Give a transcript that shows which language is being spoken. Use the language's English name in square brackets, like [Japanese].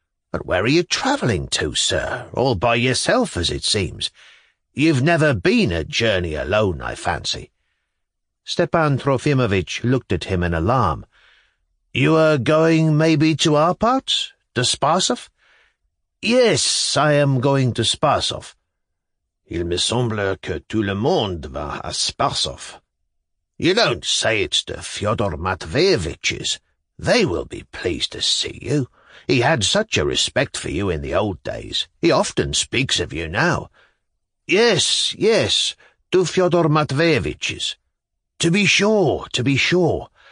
[English] But where are you travelling to, sir? All by yourself, as it seems. You've never been a journey alone, I fancy. Stepan Trofimovitch looked at him in alarm. You are going maybe to our parts, to Spasov? Yes, I am going to Spasov. [French] Il me semble que tout le monde va à Spasov. [English] You don't say it's to Fyodor Matveyevich's. They will be pleased to see you. He had such a respect for you in the old days. He often speaks of you now. Yes, yes, to Fyodor Matveyevich's. To be sure, to be sure.